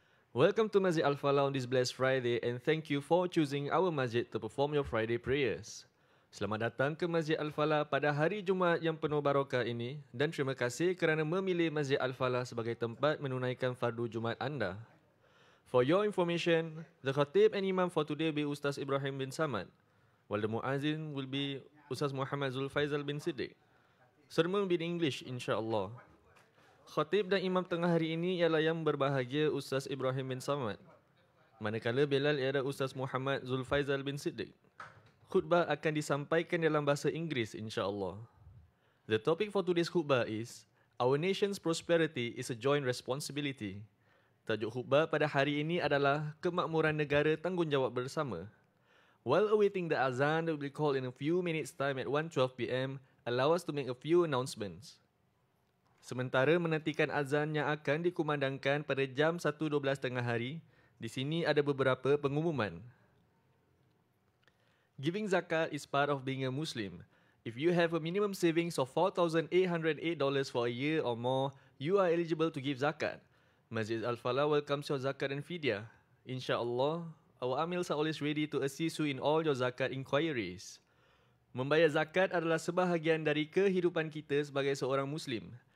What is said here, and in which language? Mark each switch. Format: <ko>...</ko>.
<en>Welcome to Masjid Al-Falah on this blessed Friday and thank you for choosing our masjid to perform your Friday prayers.</en> <ms>Selamat datang ke Masjid Al-Falah pada hari Jumaat yang penuh barakah ini dan terima kasih kerana memilih Masjid Al-Falah sebagai tempat menunaikan fardu Jumaat anda.</ms> <en>For your information, the khatib and imam for today will be Ustaz Ibrahim bin Samat. While the muazzin will be Ustaz Muhammad Zul Faizal bin Siddiq. Sermon will be in English, insyaAllah.</en> <ms>Khatib dan imam tengah hari ini ialah yang berbahagia Ustaz Ibrahim bin Samat. Manakala Bilal ialah Ustaz Muhammad Zul Faizal bin Siddiq. Khutbah akan disampaikan dalam bahasa Inggeris, insyaAllah.</ms> <en>The topic for today's khutbah is, our nation's prosperity is a joint responsibility.</en> <ms>Tajuk khutbah pada hari ini adalah Kemakmuran Negara Tanggungjawab Bersama.</ms> <en>While awaiting the azan that will be called in a few minutes time at 1:12 PM, allow us to make a few announcements.</en> <ms>Sementara menantikan azan yang akan dikumandangkan pada jam 1:12 tengah hari, di sini ada beberapa pengumuman.</ms> <en>Giving zakat is part of being a Muslim. If you have a minimum savings of $4,808 for a year or more, you are eligible to give zakat. Masjid Al-Falah welcomes your zakat and fidyah. InsyaAllah, our amils are always ready to assist you in all your zakat inquiries.</en> <ms>Membayar zakat adalah sebahagian dari kehidupan kita sebagai seorang Muslim.</ms>